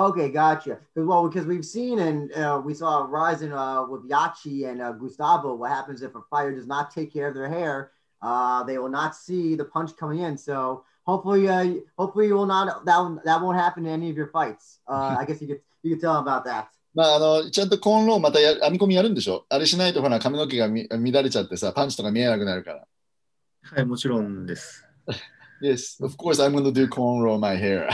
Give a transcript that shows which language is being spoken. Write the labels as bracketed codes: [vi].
[en] Okay, gotcha. Well, because we've seen and we saw Ryzen with Yachi and Gustavo, what happens if a fighter does not take care of their hair, they will not see the punch coming in. So... Hopefully you will not, that won't happen in any of your fights. I guess you could tell about that. [ja] まあ、ちゃんとコンローまた編み込みやるんでしょ。あれしないとほら髪の毛が乱れちゃってさ、パンチとか見えなくなるから。はい、もちろんです。 [en] Yes, of course I'm going to do cornrow my hair.